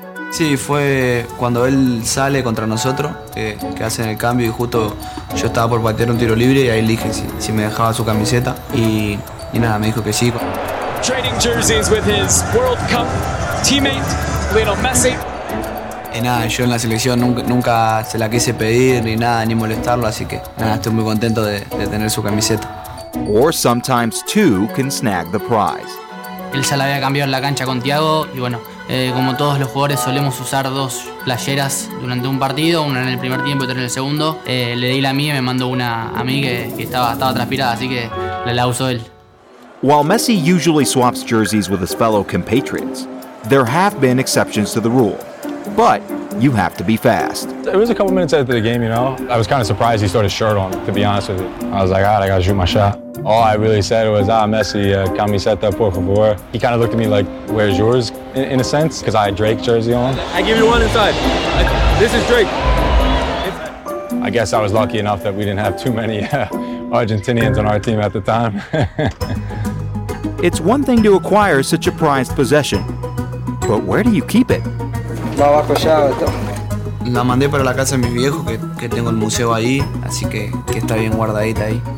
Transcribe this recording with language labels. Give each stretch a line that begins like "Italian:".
Spanish: Sí, fue cuando él sale contra nosotros, que hacen el cambio y justo yo estaba por patear un tiro libre y ahí le dije si me dejaba su camiseta y nada, me dijo que sí.
English: Trading jerseys with his World Cup teammate, Lionel Messi.
Spanish: Y nada, yo en la selección nunca se la quise pedir ni nada, ni molestarlo, así que nada, estoy muy contento de tener su camiseta.
English: Or sometimes two can snag the prize.
Spanish: Él ya la había cambiado en la cancha con Thiago y bueno, como todos los jugadores solemos usar dos playeras durante un partido, una en el primer tiempo y otra en el segundo. Le di la mía y me mandó una a mí que estaba transpirada, así que la usó él.
English: While Messi usually swaps jerseys with his fellow compatriots, there have been exceptions to the rule. But you have to be fast. It was a couple minutes after the game, you know. I was kind of surprised he stored his shirt on, to be honest with you. I was like, all right, I gotta shoot my shot. All I really said was, Messi,
Spanish: camiseta, por favor.
English: He kind of looked at me like, where's yours, in a sense, because I had Drake jersey on. I give you one inside. This is Drake. I guess I was lucky enough that we didn't have too many Argentinians on our team at the time. It's one thing to acquire such a prized possession, but where do you keep it?
Spanish: La mandé para la casa de mi viejo, que tengo el museo ahí, así que está bien guardadita ahí.